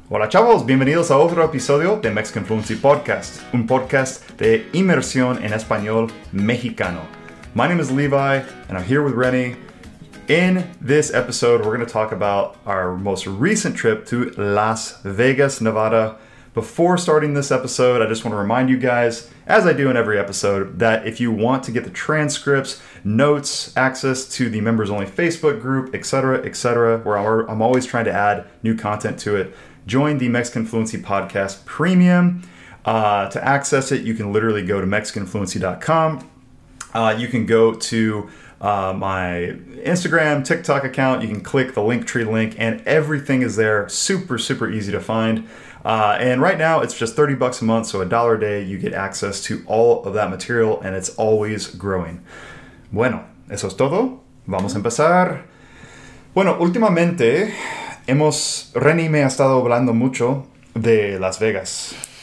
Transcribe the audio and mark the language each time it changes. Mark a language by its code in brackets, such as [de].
[es] Hola chavos, bienvenidos a otro episodio de Mexican Fluency Podcast, un podcast de inmersión en español mexicano. [en] My name is Levi, and I'm here with Renny. In this episode, we're going to talk about our most recent trip to Las Vegas, Nevada. Before starting this episode, I just want to remind you guys, as I do in every episode, that if you want to get the transcripts, notes, access to the members-only Facebook group, etc., where I'm always trying to add new content to it, join the Mexican Fluency Podcast Premium. To access it, you can literally go to mexicanfluency.com. You can go to my Instagram, TikTok account. You can click the Linktree link, and everything is there. Super, super easy to find. And right now, it's just $30 a month, so $1 a day. You get access to all of that material, and it's always growing. [es] Bueno, eso es todo. Vamos a empezar. Bueno, últimamente, Renny me ha estado hablando mucho de Las Vegas.